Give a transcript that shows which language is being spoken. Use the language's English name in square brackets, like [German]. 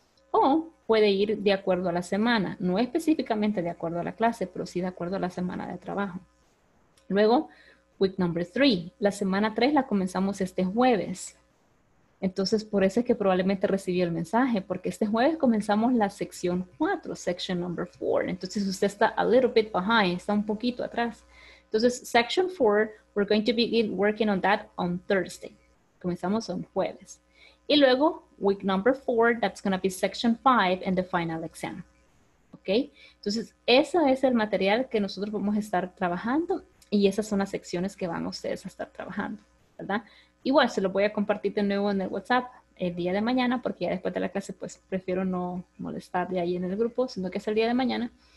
[Spanish] O puede ir de acuerdo a la semana, no específicamente de acuerdo a la clase, pero sí de acuerdo a la semana de trabajo. Luego, [English] week number 3, [Spanish] la semana 3 la comenzamos este jueves. Entonces, por eso es que probablemente recibió el mensaje, porque este jueves comenzamos la sección 4, [English] section number 4. [Spanish] Entonces, usted está [English] a little bit behind, [Spanish] está un poquito atrás. [English] Entonces, section 4, we're going to begin working on that on Thursday. [Spanish] Comenzamos [English] on jueves. [Spanish] Y luego, [English] week number 4, that's going to be section 5 and the final exam. ¿Ok? [Spanish] Entonces, ese es el material que nosotros vamos a estar trabajando y esas son las secciones que van ustedes a estar trabajando, ¿verdad? Igual, se lo voy a compartir de nuevo en el WhatsApp el día de mañana, porque ya después de la clase, pues, prefiero no molestar de ahí en el grupo, sino que es el día de mañana.